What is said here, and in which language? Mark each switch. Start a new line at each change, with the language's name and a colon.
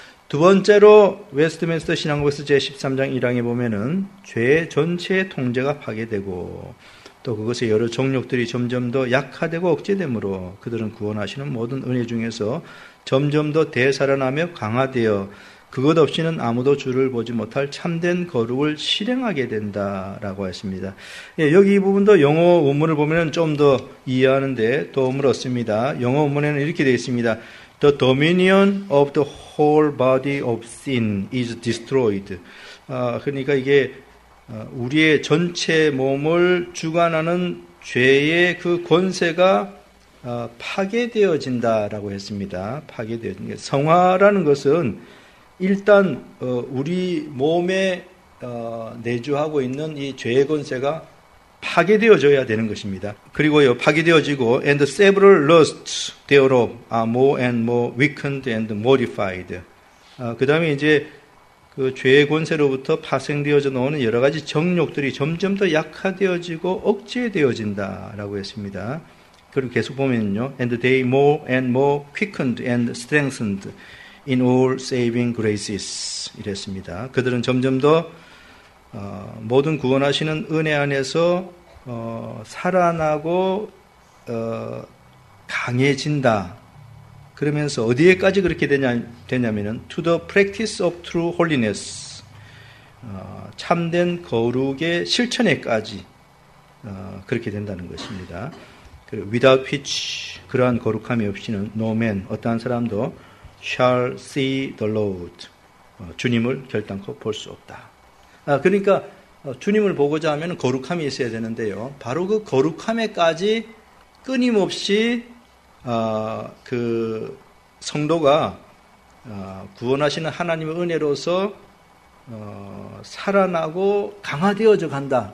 Korean: 두 번째로 웨스트민스터 신앙고에서 제13장 1항에 보면은 죄의 전체의 통제가 파괴되고 또 그것의 여러 종력들이 점점 더 약화되고 억제되므로 그들은 구원하시는 모든 은혜 중에서 점점 더 되살아나며 강화되어 그것 없이는 아무도 주를 보지 못할 참된 거룩을 실행하게 된다라고 했습니다. 예, 여기 이 부분도 영어 원문을 보면 좀 더 이해하는 데 도움을 얻습니다. 영어 원문에는 이렇게 되어 있습니다.
English: The dominion of the whole body of sin is destroyed.
Korean: 그러니까 이게 우리의 전체 몸을 주관하는 죄의 그 권세가 파괴되어진다라고 했습니다. 파괴되어진다. 성화라는 것은 일단 우리 몸에 내주하고 있는 이 죄의 권세가 파괴되어져야 되는 것입니다. 그리고요, 파괴되어지고
English: and several lusts thereof are more and more weakened and modified.
Korean: 그다음에 이제 그 죄의 권세로부터 파생되어져 나오는 여러 가지 정욕들이 점점 더 약화되어지고 억제되어진다라고 했습니다. 그리고 계속 보면요,
English: and they more and more quickened and strengthened. In all saving graces
Korean: 이랬습니다. 그들은 점점 더 모든 구원하시는 은혜 안에서 살아나고 강해진다. 그러면서 어디에까지 그렇게 되냐면은
English: to the practice of true holiness
Korean: 참된 거룩의 실천에까지 그렇게 된다는 것입니다.
English: Without which
Korean: 그러한 거룩함이 없이는
English: no man
Korean: 어떠한 사람도
English: shall see the Lord.
Korean: 주님을 결단코 볼 수 없다. 그러니까 주님을 보고자 하면 거룩함이 있어야 되는데요. 바로 그 거룩함에까지 끊임없이 그 성도가 구원하시는 하나님의 은혜로서 살아나고 강화되어져 간다.